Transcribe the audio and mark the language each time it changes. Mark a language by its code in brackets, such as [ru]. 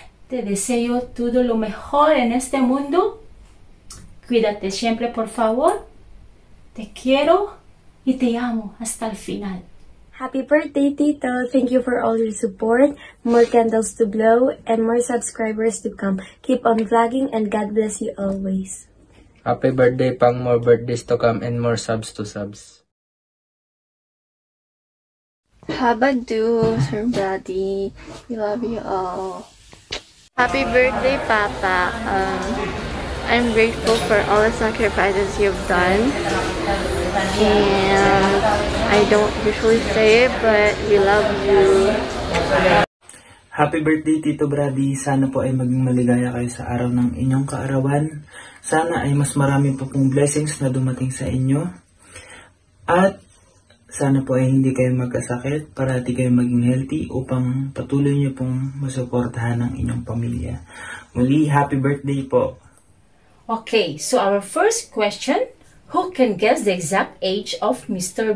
[es] Te deseo todo lo mejor en este mundo. Cuídate siempre, por favor. Te quiero y te amo hasta el final. [en] Happy birthday, Tito. Thank you for all your support. More candles to blow and more subscribers to come. Keep on vlogging and God bless you always. Happy birthday, pang more birthdays to come and more subs to subs. Habadoo, Sir Buddy. We love you all. Happy birthday, Papa. I'm grateful for all the sacrifices you've done. And I don't usually say it, but we love you. Happy birthday, Tito Brady. [tl] Sana po ay maging maligaya kayo sa araw ng inyong kaarawan. Sana ay mas marami pa pong blessings na dumating sa inyo. At sana po ay hindi kayo magkasakit para di kayo maging healthy upang patuloy niyo pong masuportahan ng inyong pamilya. Muli, [en] happy birthday [tl] po! [en] Okay, so our first question, who can guess the exact age of Mr.